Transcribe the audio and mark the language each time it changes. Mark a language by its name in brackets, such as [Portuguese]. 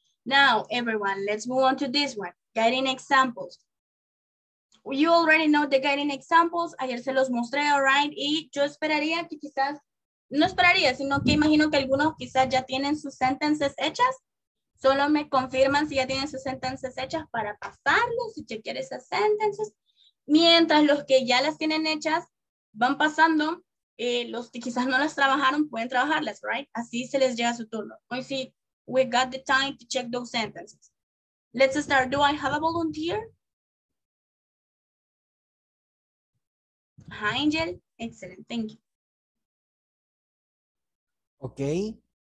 [English] Now, everyone, let's move on to this one, guiding examples. You already know the guiding examples. [Spanish] Ayer se los mostré, [English] all right? [Spanish] Y yo esperaría que quizás, no esperaría, sino que imagino que algunos quizás ya tienen sus sentences hechas. Solo me confirman si ya tienen sus sentences hechas para pasarlos, si chequear esas sentences. Mientras los que ya las tienen hechas van pasando, los que quizás no las trabajaron pueden trabajarlas, right? Así se les llega su turno. Hoy sí, [English] we got the time to check those sentences. Let's start. Do I have a volunteer? Hi, Angel. Excellent. Thank you. Okay.